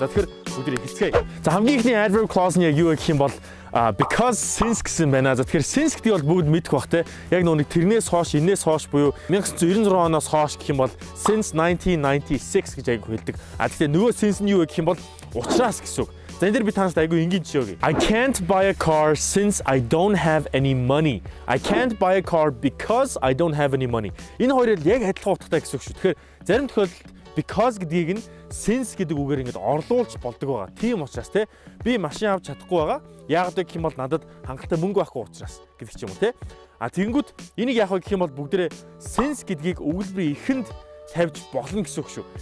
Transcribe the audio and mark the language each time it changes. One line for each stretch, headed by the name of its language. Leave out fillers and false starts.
Mongolian: За тэгэхээр бүгд эхэлцгээе. За хамгийн ихний adverb clause нь яг юу гэх юм бол because since гэсэн байна. За тэгэхээр since гэдэг бол бүгд мэдэх бах те. Яг нүг тэрнээс хойш инээс хойш буюу 1996 оноос хойш гэх юм бол since 1996 гэж айгу хэлдэг. А тэгэхээр нөгөө since нь юу гэх юм бол уучраас гэсэн үг. За энэ дэр би танарт айгу энгийн жишээ өгье.
English: I can't buy a car since I don't have any money. I can't buy a car because I don't have any money.
Mongolian: Энэ хоёрыг яг адилхан утгатай гэсэн үг шүү. Тэгэхээр зарим тохиолдолд because гэдгийг нь since гэдэг үгээр ингэж орлуулж болдог байгаа. Тийм учраас те би машин авч чадахгүй байгаа. Яагаад гэх юм бол надад хангалттай мөнгө байхгүй учраас гэдэг ч юм уу те. А тэгэнгүүт энийг яах вэ гэх юм бол бүгдээрээ since гэдгийг өгүүлбэрийн эхэнд тавьж болно гэсэн үг шүү.